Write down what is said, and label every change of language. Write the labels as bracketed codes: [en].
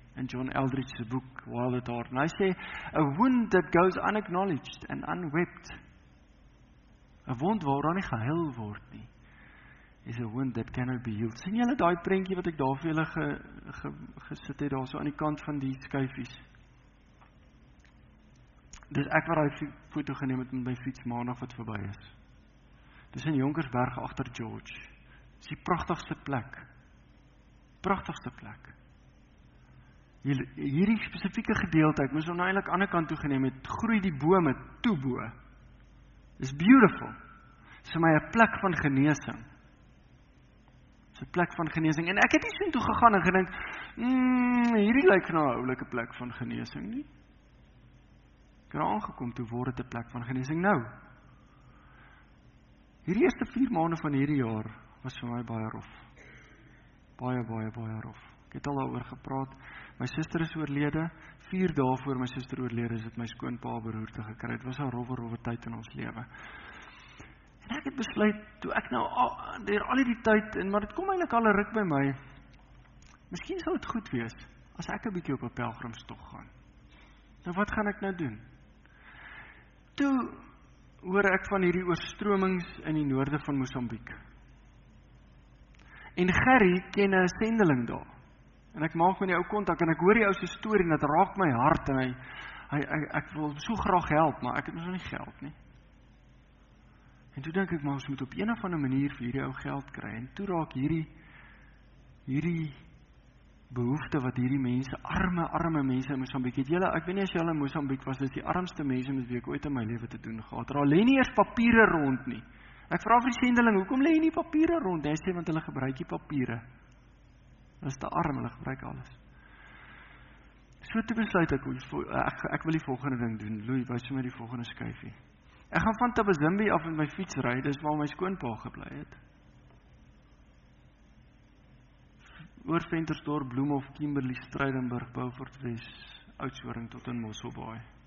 [af] in John Eldridge's boek, [en] Wild at Heart. [af] And hy sê, [en] a wound that goes unacknowledged and unwept, a wound [af] waaraan nie geheel word nie, [en] is a wound that cannot be healed. [af] Sien julle die prentjie wat ek daar vir julle gesit het, daar so aan die kant van die skuifies? Dis ek waar hy foto geneem het met my fiets maandag wat voorbij is. Dis in Jonkersberg achter George. Dis die prachtigste plek. Prachtigste plek. Hierdie specifieke gedeelte, ek moes hom nou eindelijk aan die kant toe geneem het, groei die bome toe boe. Dis beautiful. Dis vir my een plek van genesing. Dis een plek van genesing. En ek het nie sien toe gegaan en gedink, hierdie lyk nou een oulike plek van genesing nie. Ek het aangekom toe word het een plek van genesing nou. Hierdie eerste 4 maande van hierdie jaar was vir my baie rof. Baie rof. Ek het al daaroor gepraat. My suster is oorlede. 4 dae voor my suster oorlede is het my skoonpa beroerte gekry. Het was een rowwe tyd in ons lewe. En ek het besluit, toe ek nou al die tyd, en maar het kom eintlik al 'n ruk by my, miskien sal het goed wees, as ek 'n bietjie op 'n pelgrimstog gaan. Nou wat gaan ek nou doen? Toe hoor ek van hierdie oorstromings in die noorde van Mosambiek. En Gerry ken 'n sendeling daar. En ek maak met die ou kontak en ek hoor die ou se storie en dit raak my hart en ek wil so graag help, maar ek het nog nie geld nie. En toe dink ek maar ons moet op een of ander manier vir hierdie ou geld kry en toe raak hierdie behoefte wat hierdie mense, arme mense in Mosambiek het. Julle, ek weet nie as julle in Mosambiek was, dis die armste mense met wie ek ooit in my lewe te doen gehad. Daar lê nie eers papiere rond nie. Ek vra vir die sendeling, hoekom lê nie papiere rond? Hy sê, want hulle gebruik die papiere. Hulle is te arm, hulle gebruik alles. So toe besluit ek, ek wil die volgende ding doen. Loei, wys vir my die volgende skuifie. Ek gaan van Tabazimbi af met my fiets ry, dis waar my skoonpa gebly het. Oor Ventersdorp, Bloemhof, Kimberley, Strydenburg, Beaufort West, Oudtshoorn tot in Mosselbaai.